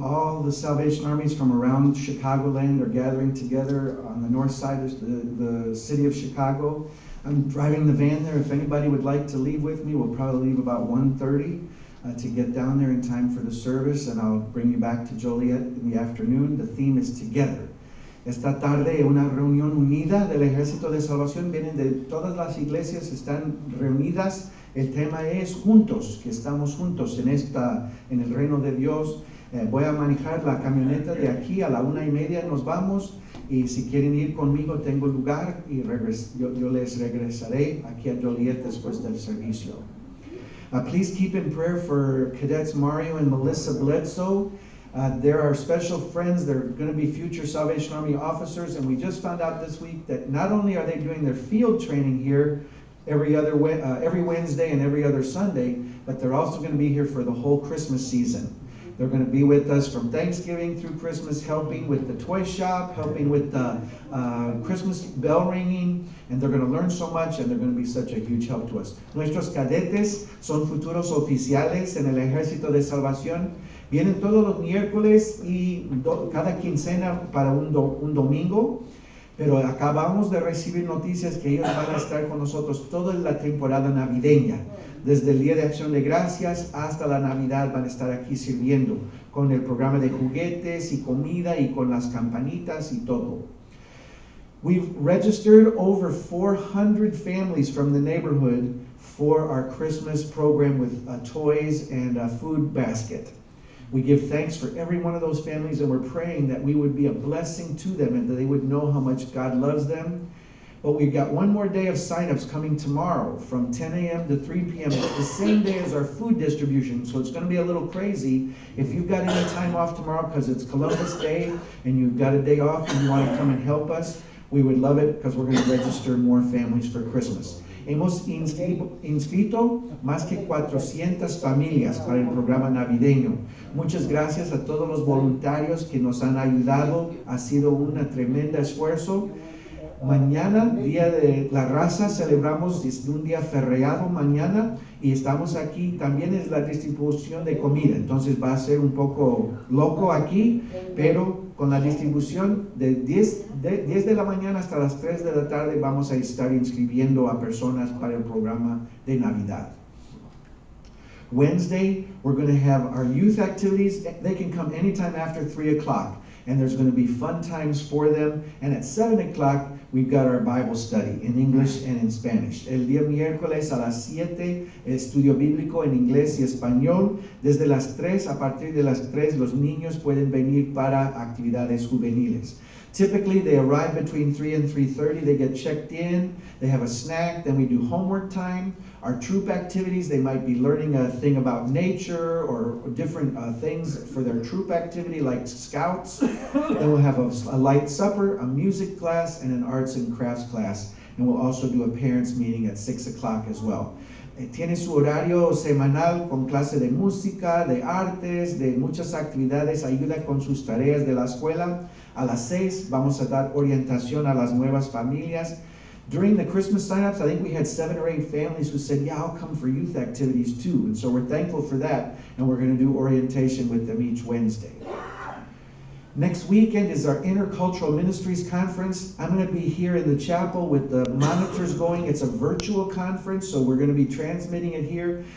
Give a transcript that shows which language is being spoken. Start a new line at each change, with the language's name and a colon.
English: All the Salvation Armies from around Chicagoland are gathering together on the north side of the city of Chicago. I'm driving the van there. If anybody would like to leave with me, we'll probably leave about 1:30 to get down there in time for the service, and I'll bring you back to Joliet in the afternoon. The theme is together.
Spanish: Esta tarde una reunión unida del Ejército de Salvación. Vienen de todas las iglesias, están reunidas. El tema es juntos, que estamos juntos en esta, en el reino de Dios. Voy a manejar la camioneta de aquí a la 1:30, nos vamos. Y si quieren ir conmigo, tengo lugar y yo les regresaré aquí a Joliet después del servicio.
English: Please keep in prayer for Cadets Mario and Melissa Bledsoe. There are special friends. They're going to be future Salvation Army officers. And we just found out this week that not only are they doing their field training here, every Wednesday and every other Sunday, but they're also going to be here for the whole Christmas season. They're going to be with us from Thanksgiving through Christmas, helping with the toy shop, helping with the Christmas bell ringing, and they're going to learn so much, and they're going to be such a huge help to us.
Spanish: Nuestros cadetes son futuros oficiales en el Ejército de Salvación. Vienen todos los miércoles y cada quincena para un domingo. Pero acabamos de recibir noticias que ellos van a estar con nosotros toda la temporada navideña. Desde el Día de Acción de Gracias hasta la Navidad van a estar aquí sirviendo con el programa de juguetes y comida y con las campanitas y todo.
English: We've registered over 400 families from the neighborhood for our Christmas program with toys and a food basket. We give thanks for every one of those families, and we're praying that we would be a blessing to them and that they would know how much God loves them. But we've got one more day of signups coming tomorrow from 10 a.m. to 3 p.m. It's the same day as our food distribution, so it's going to be a little crazy. If you've got any time off tomorrow because it's Columbus Day and you've got a day off and you want to come and help us, we would love it because we're going to register more families for Christmas.
Spanish: Hemos inscrito más que 400 familias para el programa navideño. Muchas gracias a todos los voluntarios que nos han ayudado. Ha sido un tremendo esfuerzo. Mañana, Día de la Raza, celebramos un día feriado mañana y estamos aquí. También es la distribución de comida, entonces va a ser un poco loco aquí, pero con la distribución de 10 de la mañana hasta las 3 de la tarde vamos a estar inscribiendo a personas para el programa de Navidad.
English: Wednesday, we're going to have our youth activities. They can come anytime after 3 o'clock. And there's going to be fun times for them. And at 7 o'clock, we've got our Bible study in English and in Spanish.
Spanish: El día miércoles a las 7, estudio bíblico en inglés y español. Desde las 3, a partir de las 3, los niños pueden venir para actividades juveniles.
English: Typically, they arrive between 3 and 3:30. They get checked in. They have a snack. Then we do homework time. Our troop activities, they might be learning a thing about nature or different things for their troop activity, like scouts. Then we'll have a light supper, a music class, and an arts and crafts class. And we'll also do a parents meeting at 6 o'clock as well.
Spanish: Tiene su horario semanal con clase de música, de artes, de muchas actividades. Ayuda con sus tareas de la escuela. A las 6, vamos a dar orientación a las nuevas familias.
English: During the Christmas signups, I think we had 7 or 8 families who said, yeah, I'll come for youth activities too. And so we're thankful for that, and we're going to do orientation with them each Wednesday. Next weekend is our Intercultural Ministries Conference. I'm going to be here in the chapel with the monitors going. It's a virtual conference, so we're going to be transmitting it here.